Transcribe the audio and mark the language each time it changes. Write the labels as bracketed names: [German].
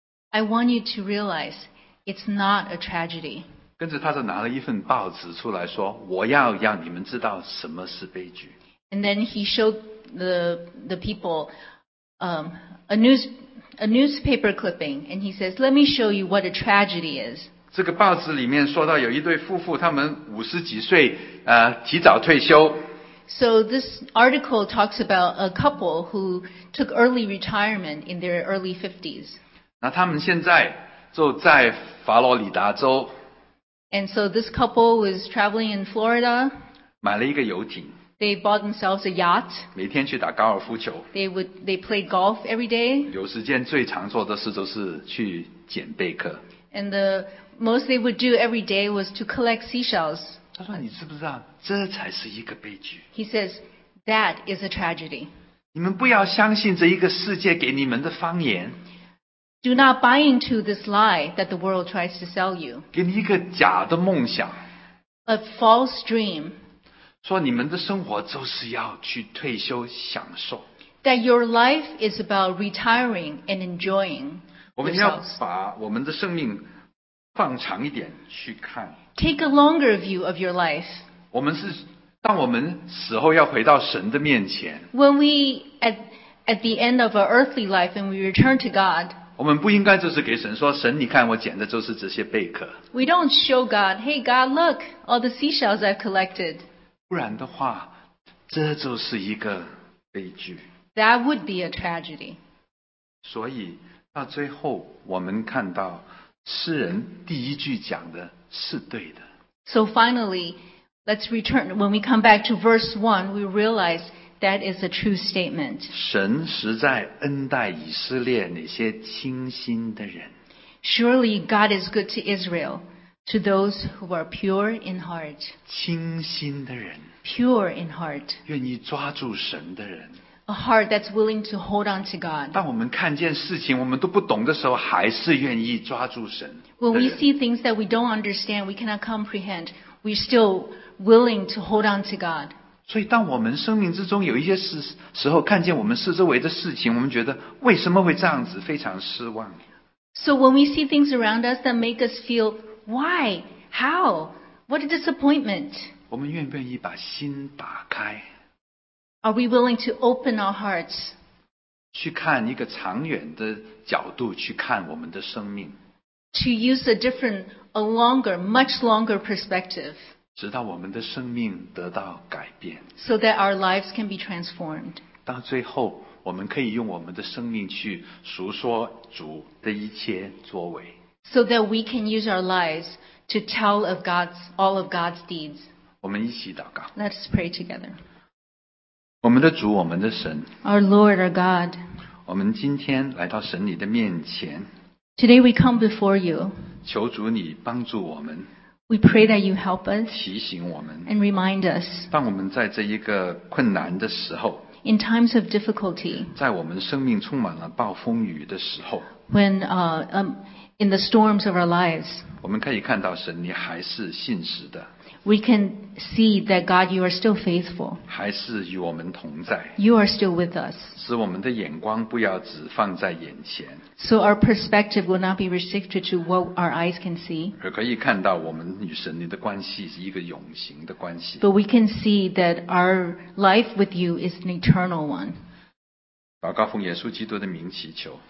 [English] I want you to realize it's not a tragedy. [Chinese] 跟着他就拿了一份报纸出来说我要让你们知道什么是悲剧。 [English] And then he showed the people a newspaper clipping and he says, let me show you what a tragedy is. [Chinese] 这个报纸里面说到有一对夫妇他们五十几岁提早退休。 [English] So this article talks about a couple who took early retirement in their early 50s. [Chinese] 那他们现在就在佛罗里达州。 [English] And so this couple was traveling in Florida. [Chinese] 买了一个游艇。 [English] They bought themselves a yacht. [Chinese] 每天去打高尔夫球。 [English] They played golf every day. [Chinese] 有时间最常做的事就是去捡贝壳。 [English] And the most they would do every day was to collect seashells. [Chinese] 他说你知不知道这才是一个悲剧。 [English] He says, that is a tragedy. [Chinese] 你们不要相信这一个世界给你们的方言。 [English] Do not buy into this lie that the world tries to sell you. [Chinese] 给你一个假的梦想。 [English] A false dream. [Chinese] 说你们的生活就是要去退休享受。 [English] That your life is about retiring and enjoying yourself. [Chinese] 我们要把我们的生命放长一点去看。 [English] Take a longer view of your life. [Chinese] 我们是当我们死后要回到神的面前。 [English] When we at the end of our earthly life and we return to God. [Chinese] 我们不应该就是给神说，神你看我捡的就是这些贝壳。 [English] We don't show God, hey God, look all the seashells I've collected. [Chinese] 不然的话，这就是一个悲剧。 [English] That would be a tragedy. [Chinese] 所以到最后，我们看到诗人第一句讲的。是对的。 [English] So finally, let's return. When we come back to verse 1, we realize that is a true statement. [Chinese] 神实在恩待以色列那些清心的人。 [English] Surely God is good to Israel, to those who are pure in heart. [Chinese] 清心的人。 [English] Pure in heart. [Chinese] 愿意抓住神的人。 [English] A heart that's willing to hold on to God. [Chinese] 当我们看见事情我们都不懂的时候还是愿意抓住神的人。 [English] When we see things that we don't understand, we cannot comprehend, we're still willing to hold on to God. [Chinese] 所以当我们生命之中有一些时候看见我们四周围的事情我们觉得为什么会这样子非常失望。 [English] So when we see things around us that make us feel, why? How? What a disappointment. [Chinese] 我们愿不愿意把心打开。 [English] Are we willing to open our hearts? [Chinese] 去看一个长远的角度去看我们的生命。 [English] To use a different, a longer, much longer perspective. [Chinese] 直到我们的生命得到改变。 [English] So that our lives can be transformed. [Chinese] 到最后，我们可以用我们的生命去述说主的一切作为。 [English] So that we can use our lives to tell of God's, all of God's deeds. [Chinese] 我们一起祷告。 [English] Let's pray together. [Chinese] 我们的主我们的神 [English] Our Lord, our God. [Chinese] 我们今天来到神你的面前 [English] Today we come before you. [Chinese] 求主你帮助我们 [English] We pray that you help us. [Chinese] 提醒我们 [English] And remind us. [Chinese] 当我们在这一个困难的时候 [English] In times of difficulty. [Chinese] 在我们生命充满了暴风雨的时候 [English] When in the storms of our lives. [Chinese] 我们可以看到神你还是信实的 [English] We can see that God, you are still faithful. [Chinese] 还是与我们同在。 [English] You are still with us. [Chinese] 使我们的眼光不要只放在眼前。 [English] So our perspective will not be restricted to what our eyes can see. [Chinese] 而可以看到我们与神的关系是一个永恒的关系。 [English] But we can see that our life with you is an eternal one. [Chinese] 祷告奉耶稣基督的名祈求。